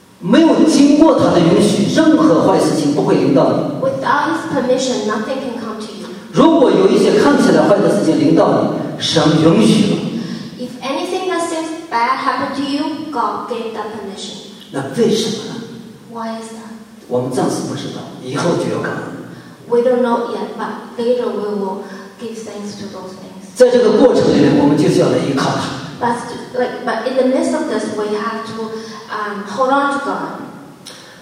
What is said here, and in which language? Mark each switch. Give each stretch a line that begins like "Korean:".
English: Without his permission, nothing can come to you. If anything that seems bad happened to you, God gave that permission.
Chinese: 那为什么呢?
English: Why is that? We don't know yet, but later we will give thanks to those things.
Chinese: 在这个过程里面，我们就是要来依靠他。
English: But in the midst of this, we have to hold on to God.